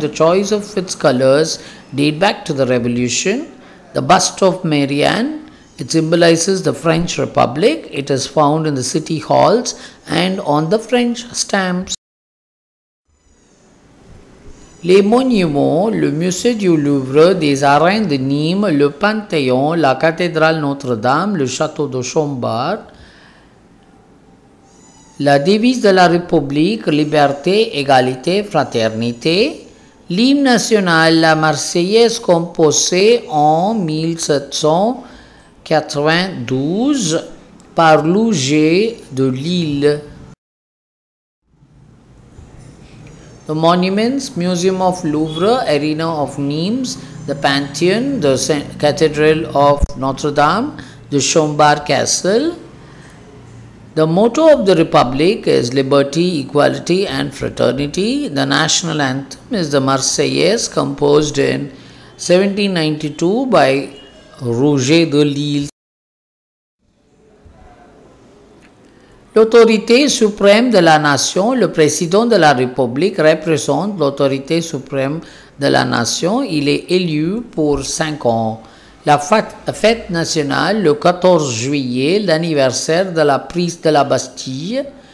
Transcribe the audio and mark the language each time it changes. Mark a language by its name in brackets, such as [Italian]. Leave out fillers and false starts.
[English] The choice of its colors date back to the Revolution. The bust of Marianne, it symbolizes the French Republic. It is found in the city halls and on the French stamps. [French] Les monuments, le musée du Louvre, des arènes de Nîmes, le Panthéon, la cathédrale Notre-Dame, le château de Chambord, la devise de la République, liberté, égalité, fraternité. L'hymne national, la Marseillaise, composée en 1792 par Louget de Lille. [English] The monuments, Museum of Louvre, Arena of Nîmes, the Pantheon, the Cathedral of Notre Dame, the Chambord Castle. The motto of the Republic is Liberty, Equality and Fraternity. The national anthem is the Marseillaise, composed in 1792 by Rouget de Lille. [French] L'autorité suprême de la nation, le président de la République représente l'autorité suprême de la nation. Il est élu pour 5 ans. La fête nationale, le 14 juillet, l'anniversaire de la prise de la Bastille.